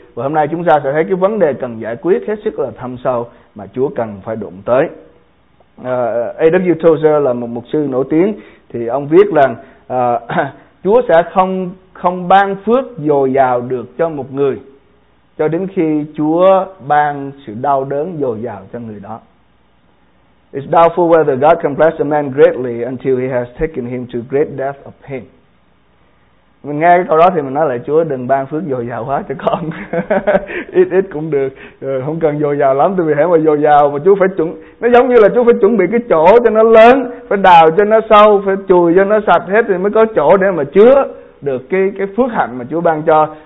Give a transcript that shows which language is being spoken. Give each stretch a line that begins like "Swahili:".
Vietnamese: Và hôm nay chúng ta sẽ thấy cái vấn đề cần giải quyết hết sức là thâm sâu mà Chúa cần phải đụng tới. A.W. Tozer là một mục sư nổi tiếng, thì ông viết rằng Chúa sẽ không ban phước dồi dào được cho một người cho đến khi Chúa ban sự đau đớn dồi dào cho người đó.
English: It's doubtful whether God can bless a man greatly until he has taken him to great depth of pain.
Vietnamese: Mình nghe cái câu đó thì mình nói lại: Chúa đừng ban phước dồi dào quá cho con. Ít ít cũng được, không cần dồi dào lắm. Tại vì hễ mà dồi dào mà Chúa phải chuẩn, nó giống như là Chúa phải chuẩn bị cái chỗ cho nó lớn, phải đào cho nó sâu, phải chùi cho nó sạch hết thì mới có chỗ để mà chứa được cái phước hạnh mà Chúa ban cho.